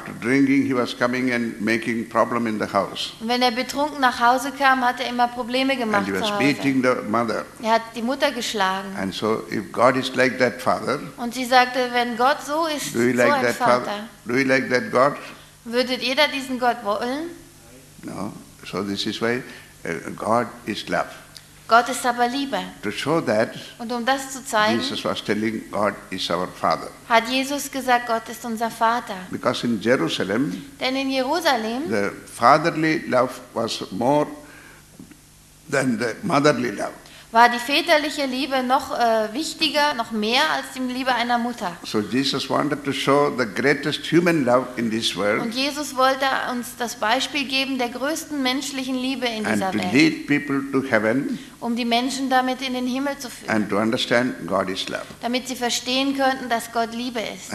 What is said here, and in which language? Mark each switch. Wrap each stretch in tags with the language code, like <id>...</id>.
<de>Und wenn er betrunken nach Hause kam, hat er immer Probleme gemacht zu Hause. Er hat die Mutter geschlagen. Und sie sagte, wenn Gott so ist, so ein Vater.</de> <en>Do you like that God?</en> <de>Würdet ihr da diesen Gott wollen?</de> <en>No, so this is why God is love.</en> <de>Gott ist aber Liebe.</de> <en>To show that,</en> <de>und um das zu zeigen,</de> <en>Jesus was telling God is our Father.</en> <de>Hat Jesus gesagt, Gott ist unser Vater.</de> <en>Because in Jerusalem,</en> <de>denn in Jerusalem,</de> <en>the fatherly love was more than the motherly love.</en> <de>War die väterliche Liebe noch wichtiger, noch mehr als die Liebe einer Mutter.</de> <en>So Jesus wanted to show the greatest human love in this world.</en> <de>Und Jesus wollte uns das Beispiel geben der größten menschlichen Liebe in</de> <en>and</en> <de>dieser</de> <en>to</en> <de>Welt.</de> <en>Lead people to heaven,</en> <de>um die Menschen damit in den Himmel zu führen.</de> <en>And to understand God is love.</en> <de>Damit sie verstehen könnten, dass Gott Liebe ist.</de>